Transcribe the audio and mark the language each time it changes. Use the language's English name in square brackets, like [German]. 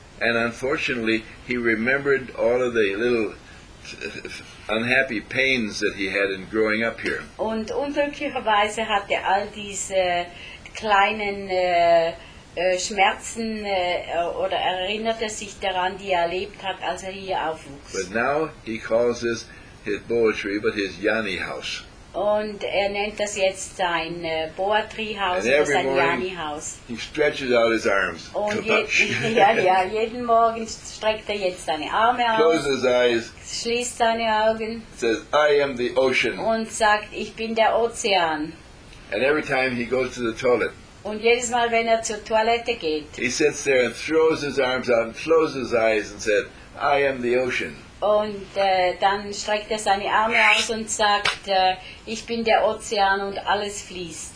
[English] And unfortunately, he remembered all of the little unhappy pains that he had in growing up here. [German] Und unglücklicherweise hat er all diese kleinen Schmerzen oder erinnert er sich daran, die er erlebt hat, als er hier aufwuchs. [English] But now he calls this his boa tree, but his Yanai house. [German] Und er nennt das jetzt sein boa tree house, [English] and every [German] sein Yanai house. [English] He stretches out his arms. [German] Und jeden Morgen streckt er jetzt seine Arme aus. [English] Closes his eyes. [German] Schließt seine Augen. [English] Says, I am the ocean. [German] Und sagt, ich bin der Ozean. [English] And every time he goes to the toilet. [German] Und jedes Mal, wenn er zur Toilette geht, [English] he sits there and throws his arms out and closes his eyes and said, I am the ocean. [German] Und dann streckt er seine Arme aus und sagt, ich bin der Ozean und alles fließt.